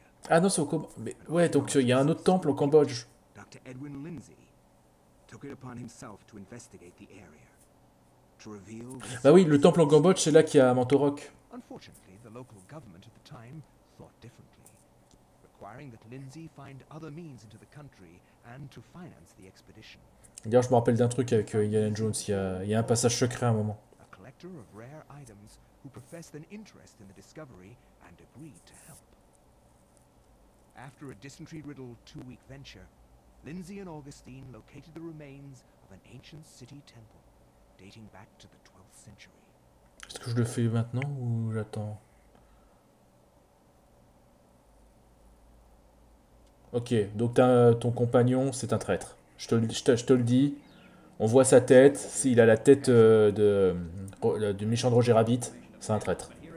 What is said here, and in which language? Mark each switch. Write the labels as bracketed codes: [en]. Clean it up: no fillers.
[fr] Ah non, c'est au Cambodge. Mais ouais, donc il y a un autre temple au Cambodge. [en] Dr. Edwin Lindsay took it upon himself to investigate the area, to reveal the [fr] Bah oui, le temple au Cambodge, c'est là qu'il y a Mantorok. [en] Unfortunately, the local government at the time thought differently, requiring that Lindsay find other means into the country and to finance the expedition. [fr] D'ailleurs, je me rappelle d'un truc avec Indiana Jones, il y a un passage secret à un moment. [en] A collector of rare items who professed an interest in the discovery and agreed to help. After a dysentery-riddled two-week venture, Lindsay and Augustine located the remains of an ancient city temple dating back to the 12th century. [fr] Est-ce que je le fais maintenant ou j'attends? Ok, donc ton compagnon, c'est un traître. Je te le dis. On voit sa tête. S'il a la tête du méchant de Roger Rabbit, c'est un traître.